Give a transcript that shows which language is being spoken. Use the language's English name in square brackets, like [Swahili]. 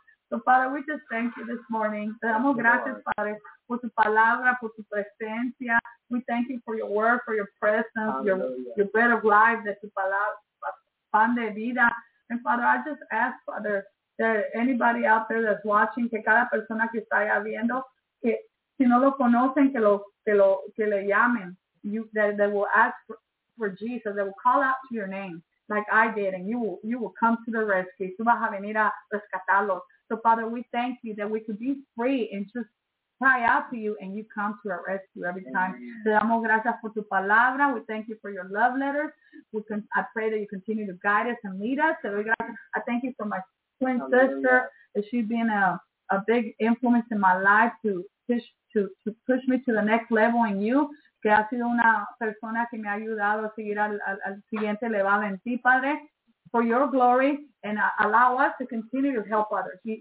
[English] So, Father, we just thank you this morning. [Spanish] Te damos gracias, Padre, por tu palabra, por tu presencia. [English] We thank you for your word, for your presence, your bread of life, that [Spanish] tu palabra, pan de vida. [English] And, Father, I just ask, Father, that anybody out there that's watching, [Spanish] que cada persona que está allá viendo, que si no lo conocen, que le llamen. [English] You, that they will ask for Jesus. They will call out to your name like I did, and you will come to the rescue. [Spanish] Tú vas a venir a rescatarlos. [English] So, Father, we thank you that we could be free and just cry out to you, and you come to our rescue every time. Amen. [Spanish] Te damos gracias por tu palabra. [English] We thank you for your love letters. I pray that you continue to guide us and lead us. [Spanish] Te doy gracias. [English] I thank you for my twin sister. She's been a big influence in my life to push me to the next level in you. [Spanish] Que ha sido una persona que me ha ayudado a seguir al siguiente level en ti, Padre. [English] For your glory, and allow us to continue to help others.